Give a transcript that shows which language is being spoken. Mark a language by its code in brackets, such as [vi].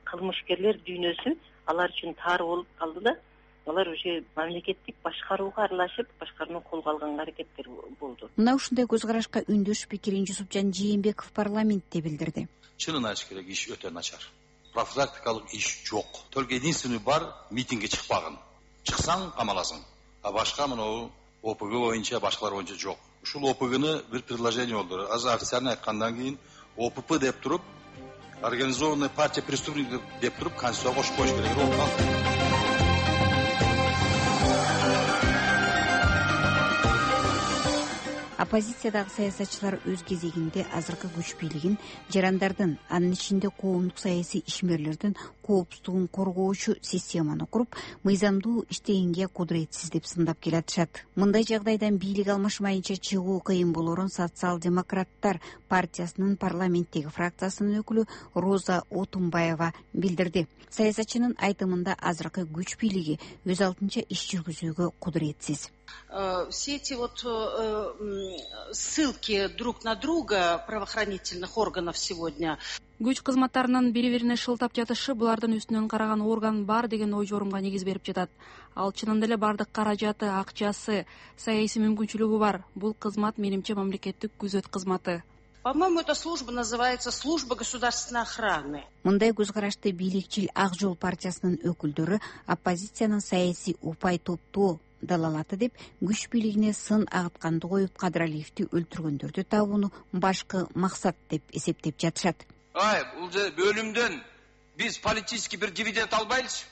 [ky] Кылмышкерлер дүйнөсү алар үчүн тар болуп калды да, алар уже мамлекеттик башкарууга аралашып, башкарууну колго алганга аракеттер болду. Мына ушундай көз карашка үндөш пикирин Жусупжан Жээнбеков парламентте билдирди. Чынын айтыш керек, иш өтө начар. Профилактикалык иш жок. [ru] Только единственный [ky] бар митингге чыкпагын. Чыксаң камаласың. А башка мына ОПГ боюнча, башкалар боюнча жок. Ушул ОПГ'ны бир предложение болду. Азыр официально айткандан кийин ОПП деп туруп, [ru] организованная партия преступников [ky] деп туруп, конституцияга кошуп коюш керек. Оппозициядагы саясатчылар өз кезегинде азыркы күч бийлигин жарандардын, анын ичинде коомдук саясий ишмерлердин коопсуздугун коргоочу системаны куруп, мыйзамдуу иштегенге кудуретсиз деп сындап келатышат. Мындай жагдайдан бийлик алмашмайынча чыгуу кыйын болорун социал демократтар партиясынын парламенттеги фракциясынын өкүлү Роза Отунбаева билдирди. Саясатчынын айтымында азыркы күч бийлиги өз алдынча иш жүргүзүүгө кудуретсиз. [ru] Все эти вот ссылки друг на друга правоохранительных органов сегодня. [ky] Күч кызматтарынын бири-бирине шылтап жатышы булардын үстүнөн караган орган бар деген ой жорумга негиз берип жатат. Ал чынында эле бардык каражаты, акчасы, саясий мүмкүнчүлүгү бар. Бул кызмат менимче мамлекеттик күзөт кызматы. [ru] По-моему, эта служба называется служба государственной охраны. [ky] Мындай көз карашты бийликчил Ак жол партиясынын өкүлдөрү оппозициянын саясий упай топтоо далалаты деп күч бийлигине сын агытканды коюп Кадыралиевди өлтүргөндөрдү табууну башкы максат деп эсептеп жатышат. Ай, бул же бөлүмдөн биз политический бир дивиденд албайбыз,